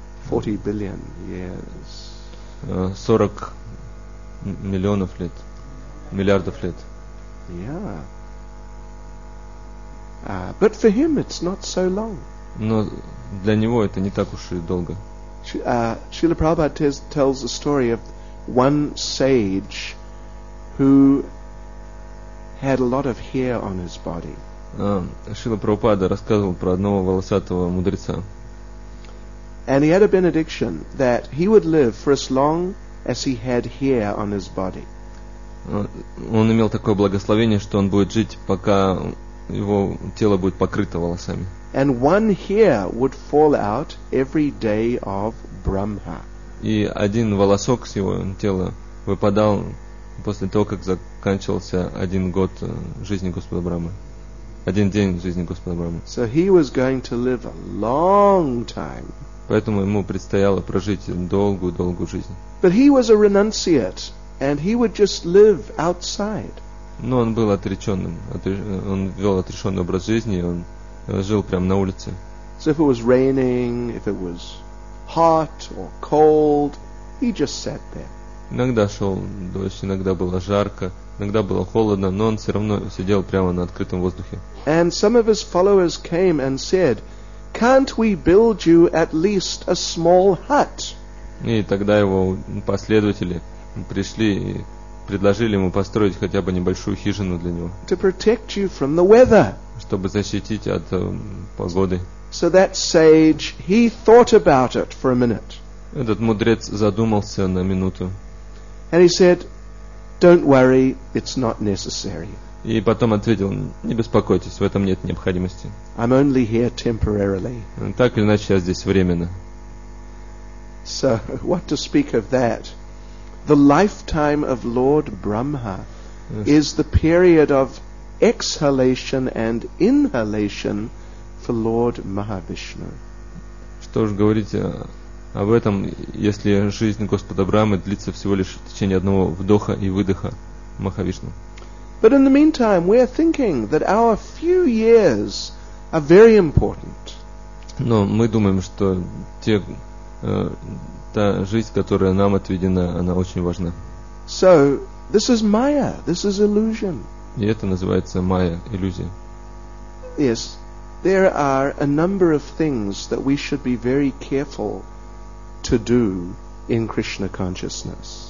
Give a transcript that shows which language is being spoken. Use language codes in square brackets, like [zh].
[en] 40 billion years. [ru] 40 миллионов лет. Миллиардов лет. [en] Yeah. But for him it's not so long. [ru] Но для него это не так уж и долго. [en] Srila Prabhupada tells the story of one sage who had a lot of hair on his body. [ru] Шрила Прабхупада рассказывал про одного волосатого мудреца. [en] And he had a benediction that he would live for as long as he had hair on his body. [ru] Он имел такое благословение, что он будет жить, пока его тело будет покрыто волосами. [en] And one hair would fall out every day of Brahma. [ru] И один волосок с его тела выпадал после того, как заканчивался один год жизни Господа Брахмы. Один день жизни Господа Брахмы. [en] So he was going to live a long time. [ru] Поэтому ему предстояло прожить долгую-долгую жизнь. [en] But he was a renunciate, and he would just live outside. [ru] Но он был отреченным. Он вел отрешенный образ жизни, и он жил прямо на улице. [en] So if it was raining, if it was hot or cold, he just sat there. [ru] Иногда шел дождь, иногда было жарко, иногда было холодно, но он все равно сидел прямо на открытом воздухе. [en] And some of his followers came and said, "Can't we build you at least a small hut?" [ru] И тогда его последователи пришли и предложили ему построить хотя бы небольшую хижину для него. [en] To protect you from the weather. [ru] Чтобы защитить от погоды. [en] So that sage, he thought about it for a minute. [ru] Этот мудрец задумался на минуту. [en] And he said, "Don't worry, it's not necessary." [ru] И потом ответил: "Не беспокойтесь, в этом нет необходимости." [en] I'm only here temporarily. [ru] Так или иначе, я здесь временно. [en] So, what to speak of that? The lifetime of Lord Brahma is the period of exhalation and inhalation for Lord Mahavishnu. [ru] Что ж говорить об этом, если жизнь Господа Брахмы длится всего лишь в течение одного вдоха и выдоха Махавишну. [en] But in the meantime, we are thinking that our few years are very important. [ru] Но мы думаем, что та жизнь, которая нам отведена, она очень важна. [en] So this is Maya, this is illusion. [ru] И это называется Майя, иллюзия. [en] Yes, there are a number of things that we should be very careful to do in Krishna consciousness.